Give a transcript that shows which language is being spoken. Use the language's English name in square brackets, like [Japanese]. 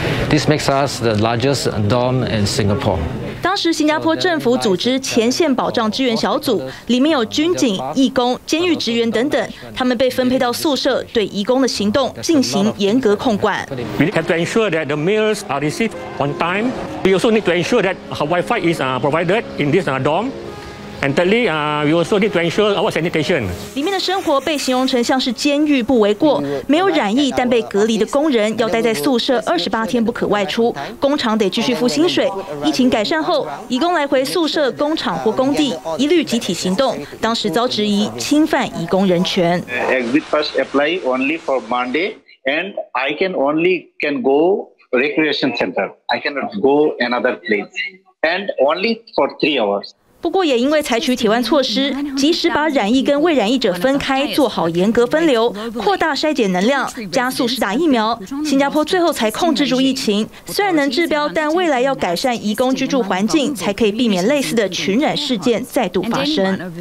[English] This makes us the largest dorm in Singapore. [Chinese] 当时新加坡政府组织前线保障支援小组，里面有军警、义工、监狱职员等等，他们被分配到宿舍，对移工的行动进行严格控管。 [English] We have to ensure that the meals are received on time. We also need to ensure that our Wi-Fi is provided in this dorm. And thirdly, we also need to ensure our sanitation. [Chinese] 里面的生活被形容成像是监狱不为过，没有染疫但被隔离的工人要待在宿舍28天不可外出，工厂得继续付薪水。疫情改善后，移工来回宿舍、工厂或工地，一律集体行动。当时遭质疑侵犯移工人权。 [English] Exit pass apply only for Monday, and I can only can go recreation center. I cannot go another place, and only for 3 hours. [Chinese] 不过也因为采取铁腕措施，及时把染疫跟未染疫者分开，做好严格分流，扩大筛检能量，加速施打疫苗，新加坡最后才控制住疫情。虽然能治标，但未来要改善移工居住环境，才可以避免类似的群染事件再度发生。